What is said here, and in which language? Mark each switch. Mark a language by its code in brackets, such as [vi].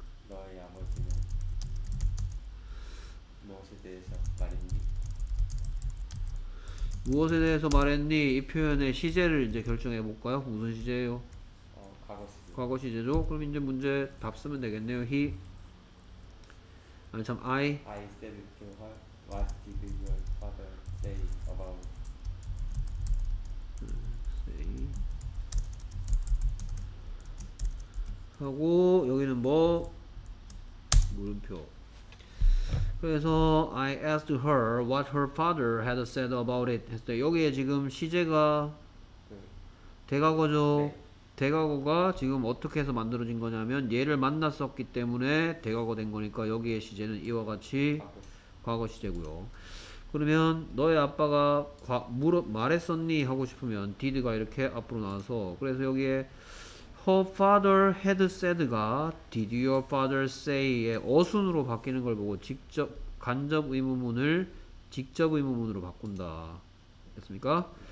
[ko] 너의 아버지는 무엇에 대해서 말했니? 무엇에 대해서 말했니? 이 표현의 시제를 이제 결정해 볼까요? 무슨 시제예요? 과거 시제. 과거 시제죠? 그럼 이제 문제 답 쓰면 되겠네요. [en] He [ko] 아니 참 [en] I said to her, what did your father say about? [ko] 하고 여기는 뭐 물음표. 그래서 [en] I asked her what her father had said about it. [ko] 했을 때 여기에 지금 시제가 대과거죠. 네. 대과거가 지금 어떻게 해서 만들어진 거냐면 얘를 만났었기 때문에 대과거 된 거니까 여기에 시제는 이와 같이 과거 시제고요. 그러면 너의 아빠가 말했었니 하고 싶으면 did가 이렇게 앞으로 나와서 그래서 여기에 [en] Her father had said [ko] 가 [en] Did your father say [ko] 의 어순으로 바뀌는 걸 보고 직접 간접 의문문을 직접 의문문으로 바꾼다. 됐습니까?